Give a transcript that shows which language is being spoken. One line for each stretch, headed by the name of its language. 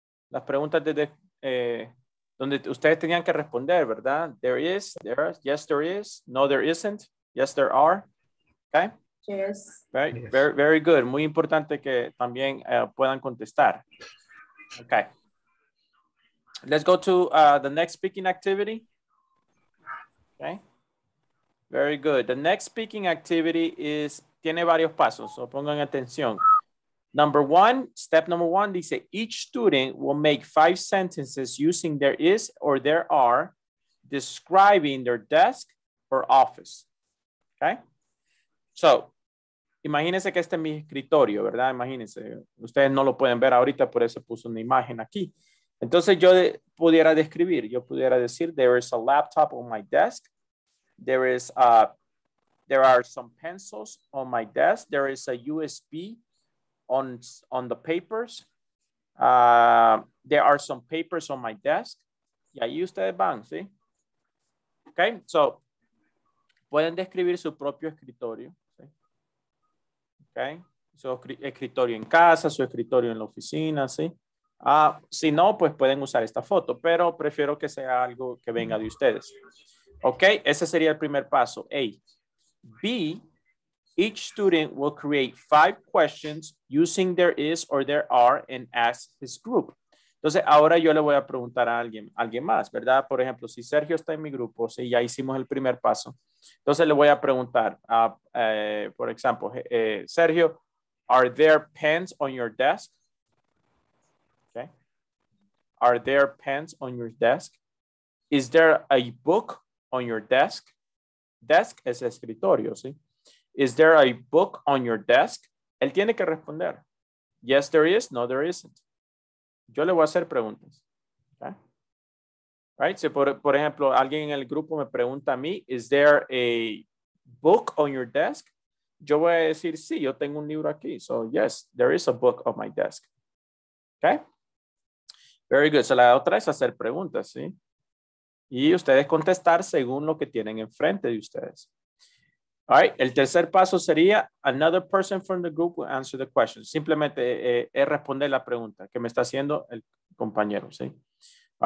Spanish: Las preguntas desde donde ustedes tenían que responder, ¿verdad?
English: There is, there are, yes, there is, no, there isn't, yes, there are. Okay. Yes. Very good.
Spanish: Muy importante que también puedan contestar. Okay.
English: Let's go to the next speaking activity. Okay. Very good. The next speaking activity
Spanish: tiene varios pasos, so pongan atención.
English: Step number one,
Spanish: dice,
English: each student will make 5 sentences using there is or there are, describing their desk or office. Okay?
Spanish: So, imagínense que este es mi escritorio, ¿verdad? Imagínense. Ustedes no lo pueden ver ahorita, por eso puso una imagen aquí. Entonces, yo pudiera decir,
English: there is a laptop on my desk. There are some pencils on my desk. There is a USB on the papers. There are some papers on my desk.
Spanish: Y ahí ustedes van, ¿sí? Okay, so pueden describir su propio escritorio. ¿Sí? Okay, su escritorio en casa, su escritorio en la oficina, ¿sí? Si no, pues pueden usar esta foto, pero prefiero que sea algo que venga de ustedes. Okay, ese sería el primer paso. A. B.
English: Each student will create 5 questions using there is or there are and ask his group.
Spanish: Entonces, ahora yo le voy a preguntar a alguien más, ¿verdad? Por ejemplo, si Sergio está en mi grupo, si ya hicimos el primer paso. Entonces, le voy a preguntar, por ejemplo, Sergio,
English: are there pens on your desk?
Spanish: Okay.
English: Are there pens on your desk? Is there a book on your desk?
Spanish: Desk es escritorio, ¿sí?
English: Is there a book on your desk?
Spanish: Él tiene que responder.
English: Yes, there is. No, there isn't.
Spanish: Yo le voy a hacer preguntas. Okay.
English: Right?
Spanish: So, por ejemplo, alguien en el grupo me pregunta a mí,
English: is there a book on your desk?
Spanish: Yo voy a decir, sí, yo tengo un libro aquí.
English: So, yes, there is a book on my desk. Okay? Very good.
Spanish: So, la otra es hacer preguntas, ¿sí? Y ustedes contestar según lo que tienen enfrente de ustedes. All right, el tercer paso sería
English: another person from the group will answer the question.
Spanish: Simplemente es responder la pregunta que me está haciendo el compañero, ¿sí? All